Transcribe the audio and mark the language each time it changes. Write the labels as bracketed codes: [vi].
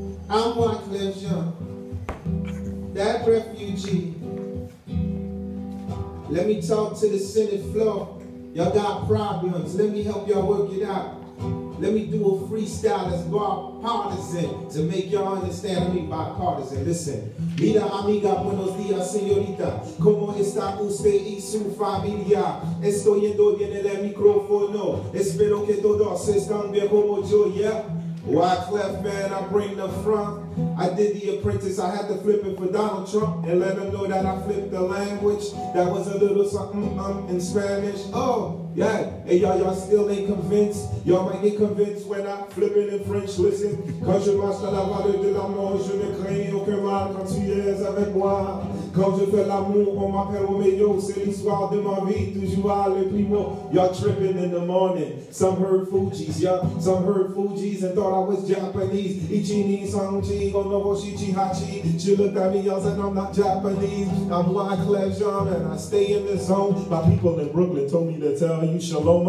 [en] I'm Wyclef Jean, that refugee. Let me talk to the Senate floor. Y'all got problems, let me help y'all work it out. Let me do a freestyle that's bipartisan to make y'all understand. I mean bipartisan. Listen. [es] Mira amiga, buenos días, señorita. ¿Cómo está usted y su familia? Estoy yendo bien en el micrófono. Espero que todos estén bien como yo, yeah? [en] Wyclef, man, I bring the front. I did The Apprentice, I had to flip it for Donald Trump and let him know that I flipped the language. That was a little something in Spanish. Oh, yeah. Hey, y'all still ain't convinced. Y'all might get convinced when I flip it in French. Listen. [fr] Quand je marche dans la valeur de l'amour, je ne crains aucun mal quand tu es avec moi. Quand je fais l'amour, on m'appelle Romeo. C'est l'histoire de ma vie, toujours à le primo. [en] Y'all tripping in the morning. Some heard Fugees, yeah. Some heard Fugees and thought I was Japanese. Ichini, Sanji. She looked at me and said, I'm not Japanese. I'm Wyclef Jean and I stay in this home. My people in Brooklyn told me to tell you shalom.